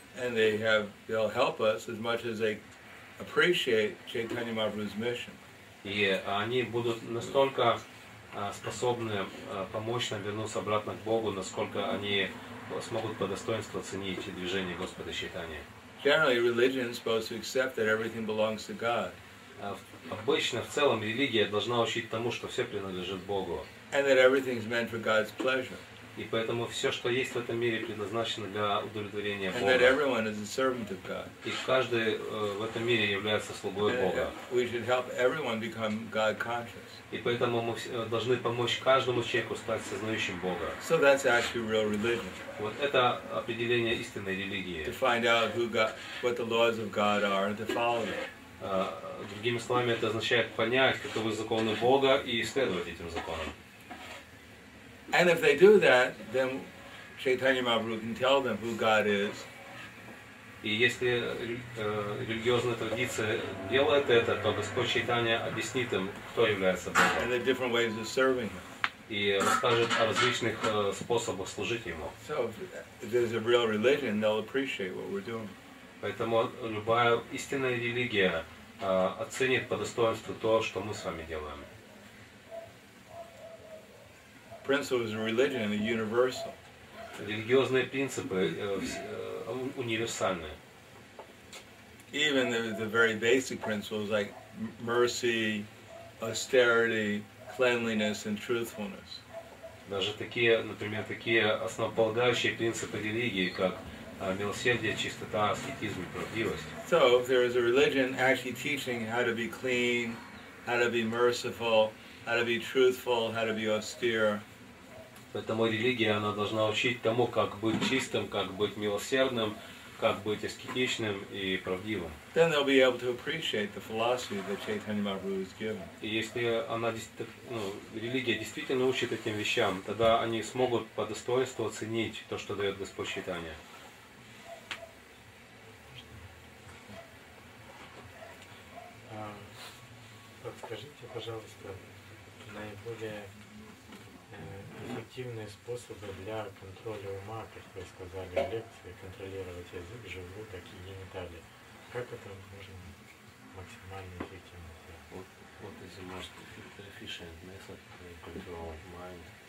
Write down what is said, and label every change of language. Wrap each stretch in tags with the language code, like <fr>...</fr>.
<en>And they'll help us as much as they appreciate Chaitanya Mahaprabhu's mission.</en> <ru>И они будут настолько способны помочь нам вернуться обратно к Богу, насколько они смогут по достоинству оценить движение Господа Чайтаньи.</ru> <en>Generally, religion is supposed to accept that everything belongs to God.</en> <ru>Обычно, в целом, религия должна учить тому, что все принадлежит Богу.</ru> <en>And that everything is meant for God's pleasure.</en> <ru>И поэтому все, что есть в этом мире, предназначено для удовлетворения Бога.</ru> <en>And that everyone is a servant of God.</en> <ru>И каждый в этом мире является слугой Бога.</ru> <en>We should help everyone become God conscious.</en> <ru>И поэтому мы должны помочь каждому человеку стать сознающим Бога.</ru> <en>So that's actually real religion.</en> <ru>Вот это определение истинной религии.</ru> <en>To find out who God, what the laws of God are, and to follow them.</en> <ru>Другими словами, это означает понять, каковы законы Бога и следовать этим законам.</ru> <en>And if they do that, then Chaitanya Mahaprabhu can tell them who God is.</en> <ru>И если религиозная традиция делает это, то Господь Чайтанья объяснит им, кто является Богом.</ru> <en>And the different ways of serving Him.</en> <ru>И расскажет о различных способах служить Ему.</ru> <en>So, if there's a real religion, they'll appreciate what we're doing.</en> <ru>Поэтому любая истинная религия оценит по достоинству то, что мы с вами делаем.</ru> <en>Principle is a religion and a universal.</en> <ru>Религиозные принципы универсальны.</ru> <en>Even the very basic principles like mercy, austerity, cleanliness, and truthfulness.</en> <ru>Даже такие, например, такие основополагающие принципы религии, как милосердие, чистота, аскетизм и правдивость.</ru> <en>So if there is a religion actually teaching how to be clean, how to be merciful, how to be truthful, how to be austere.</en> <ru>Поэтому религия, она должна учить тому, как быть чистым, как быть милосердным, как быть аскетичным и правдивым.</ru> <en>Then they'll be able to appreciate the philosophy that Chaitanya Mahaprabhu has given.</en> <ru>И если она, ну, религия действительно учит этим вещам, тогда они смогут по достоинству оценить то, что дает Господь Чайтанья. Подскажите, пожалуйста, наиболее эффективные способы для контроля ума, как вы сказали в лекции, контролировать язык, желудок и гениталии. Как это можно максимально эффективно сделать?</ru> <en>What is the most efficient method to control mind?</en>